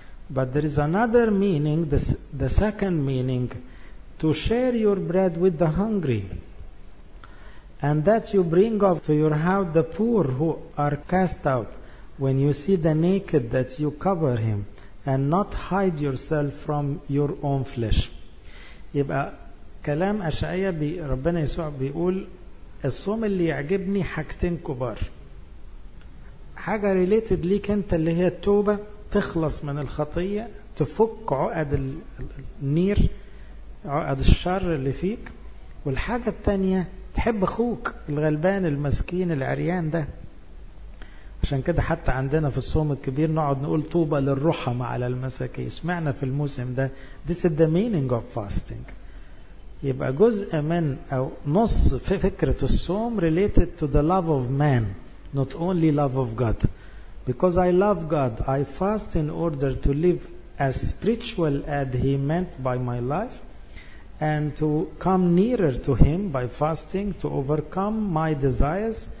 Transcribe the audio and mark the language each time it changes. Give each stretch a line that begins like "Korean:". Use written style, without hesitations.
English: But there is another meaning, the second meaning, to share your bread with the hungry, and that you bring up to your house the poor who are cast out. When you see the naked, that you cover him and not hide yourself from your own flesh.
Arabic: يبقى كلام أشعياء ربنا يسوع بيقول الصوم اللي يعجبني حاجتين كبار. حاجة related ليك انت اللي هي التوبة، تخلص من الخطية، تفك عقد النير، عقد الشر اللي فيك. والحاجة التانية تحب أخوك الغلبان المسكين العريان ده. عشان كده حتى عندنا في الصوم الكبير نقعد نقول طوبى للرحمة على المساكين. سمعنا في الموسم ده
English: This is the meaning of fasting.
Arabic: يبقى جزء من أو نص في فكرة الصوم
English: related to the love of man, not only love of God. Because I love God, I fast in order to live as spiritual as He meant by my life, and to come nearer to Him by fasting, to overcome my desires.